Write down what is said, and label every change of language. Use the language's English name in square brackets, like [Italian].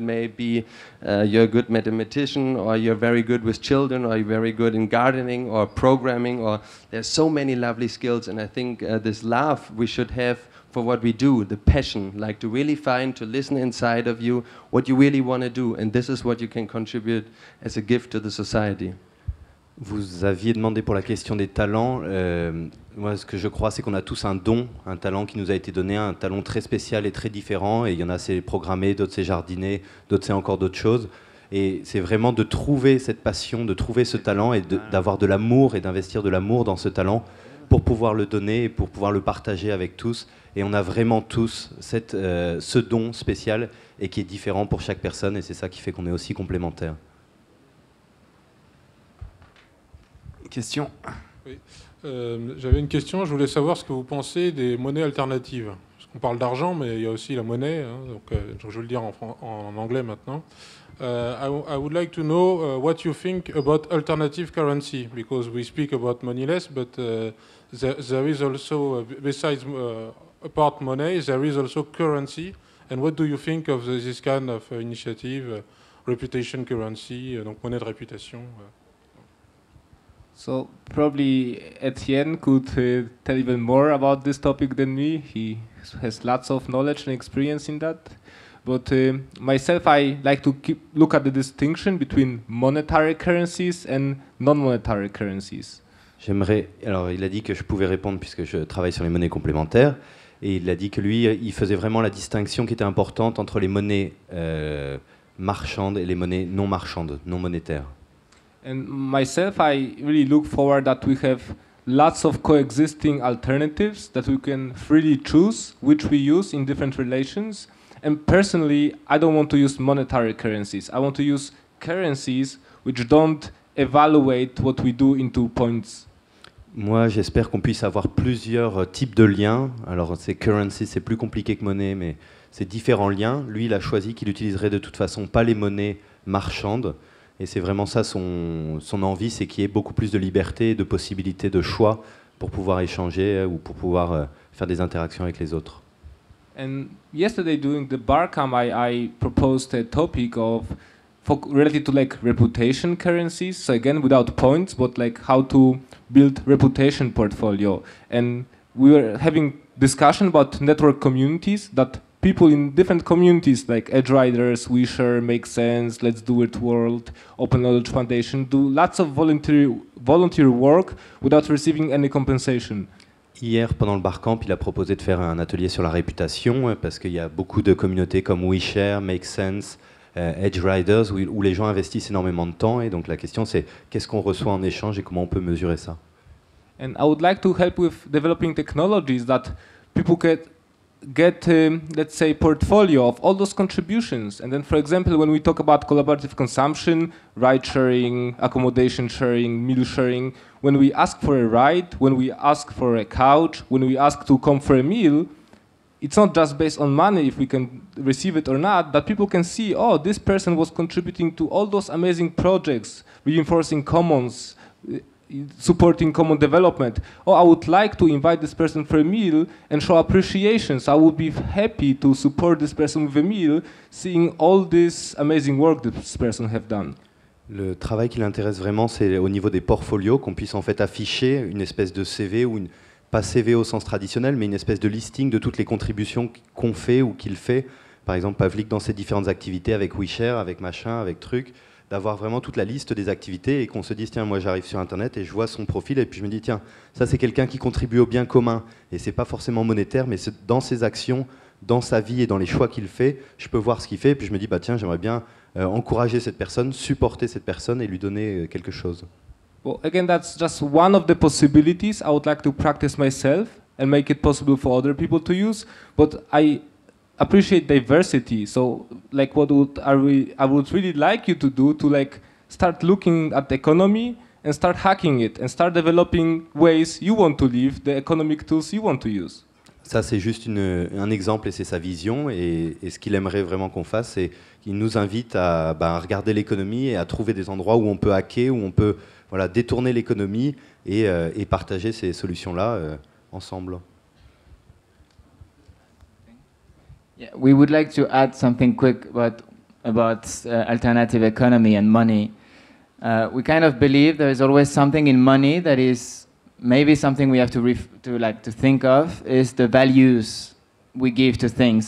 [English] Maybe you're a good mathematician, or you're very good with children, or you're very good in gardening or programming, or there's so many lovely skills. And I think this love we should have for what we do, the passion, like to really find, to listen inside of you what you really want to do, and this is what you can contribute as a gift to the society. [French] Vous aviez demandé pour la question des talents. Moi, ce que je crois, c'est qu'on a tous un don, un talent qui nous a été donné, un talent très spécial et très différent. Et il y en a, c'est programmé, d'autres, c'est jardiner, d'autres, c'est encore d'autres choses. Et c'est vraiment de trouver cette passion, de trouver ce talent et d'avoir de l'amour et d'investir de l'amour dans ce talent pour pouvoir le donner et pour pouvoir le partager avec tous. Et on a vraiment tous ce don spécial et qui est différent pour chaque personne. Et c'est ça qui fait qu'on est aussi complémentaires. Question. Oui. J'avais une question. Je voulais savoir ce que vous pensez des monnaies alternatives. Parce qu'on parle d'argent, mais il y a aussi la monnaie. Hein, donc je vais le dire en anglais maintenant. [English] I would like to know what you think about alternative currency, because we speak about moneyless, but there is also, besides apart money, there is also currency. And what do you think of this kind of initiative, reputation currency, [French] donc monnaie de réputation? [English] So probably Etienne could tell even more about this topic than me. He has lots of knowledge and experience in that. But myself, I like to look at the distinction between monetary currencies and non-monetary currencies. [French] J'aimerais, alors il a dit que je pouvais répondre puisque je travaille sur les monnaies complémentaires. Et il a dit que lui, il faisait vraiment la distinction qui était importante entre les monnaies marchandes et les monnaies non marchandes, non monétaires. [English] And myself, I really look forward that we have lots of coexisting alternatives that we can freely choose which we use in different relations. And personally, I don't want to use monetary currencies. I want to use currencies which don't evaluate what we do into points. [French] Moi, j'espère qu'on puisse avoir plusieurs types de liens. Alors, ces currencies, c'est plus compliqué que monnaie, mais c'est différents liens. Lui, il a choisi qu'il utiliserait de toute façon pas les monnaies marchandes. Et c'est vraiment ça son envie, c'est qu'il y ait beaucoup plus de liberté, de possibilités, de choix pour pouvoir échanger ou pour pouvoir faire des interactions avec les autres. [English] And yesterday during the Barcamp, I proposed a topic of related to like reputation currencies. So again, without points, but like how to build reputation portfolio. And we were having discussion about network communities that people in different communities, like Edge Riders, Wisher, Make Sense, Let's Do It World, Open Knowledge Foundation, do lots of voluntary work without receiving any compensation. [French] Hier, pendant le Barcamp, il a proposé de faire un atelier sur la réputation, parce qu'il y a beaucoup de communautés comme Wisher, Make Sense, Edge Riders, où les gens investissent énormément de temps. Et donc la question, c'est qu'est-ce qu'on reçoit en échange et comment on peut mesurer ça? [English] And I would like to help with developing technologies that people could get, let's say, portfolio of all those contributions. And then, for example, when we talk about collaborative consumption, ride sharing, accommodation sharing, meal sharing, when we ask for a ride, when we ask for a couch, when we ask to come for a meal, it's not just based on money, if we can receive it or not, but people can see, oh, this person was contributing to all those amazing projects, reinforcing commons, supporting common development. Oh, I would like to invite this person for a meal and show appreciation. So I would be happy to support this person with a meal, seeing all this amazing work this person have done. [French] Le travail qui l'intéresse vraiment, c'est au niveau des portfolios, qu'on puisse en fait afficher une espèce de CV, ou une, pas CV au sens traditionnel, mais une espèce de listing de toutes les contributions qu'on fait ou qu'il fait. Par exemple, Pavlik dans ses différentes activités avec WeShare, avec machin, avec truc. D'avoir vraiment toute la liste des activités et qu'on se dise, tiens, moi j'arrive sur Internet et je vois son profil et puis je me dis, tiens, ça c'est quelqu'un qui contribue au bien commun. Et c'est pas forcément monétaire, mais c'est dans ses actions, dans sa vie et dans les choix qu'il fait, je peux voir ce qu'il fait et puis je me dis, bah tiens, j'aimerais bien encourager cette personne, supporter cette personne et lui donner quelque chose. [English] Well, again, that's just one of the possibilities I would like to practice myself and make it possible for other people to use, but I appreciate diversity. So, like, what would I would really like you to do to like start looking at the economy and start hacking it and start developing ways you want to live, the economic tools you want to use. [French] Ça, c'est juste un exemple et c'est sa vision. Et ce qu'il aimerait vraiment qu'on fasse, c'est qu'il nous invite à bah, regarder l'économie et à trouver des endroits où on peut hacker, où on peut voilà détourner l'économie et partager ces solutions là ensemble. [English] Yeah, we would like to add something quick about alternative economy and money. We kind of believe there is always something in money that is maybe something we have to think of is the values we give to things.